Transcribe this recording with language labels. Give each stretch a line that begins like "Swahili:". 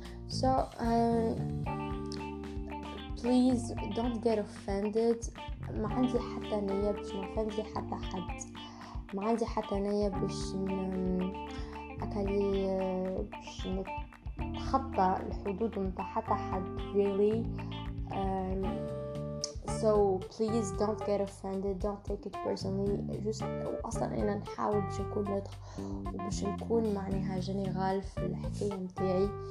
English: So please don't get offended.
Arabic: ما عندي حتى نية باش نوفندي حتى حد، ما عندي حتى نية باش أكلي باش نتخطى الحدود متاع حتى حد
English: really. So please don't get offended, don't take it personally.
Arabic: Just أصلا أنا نحاول باش نكون نضخ وباش نكون معناها جنرال في الحكاية متاعي.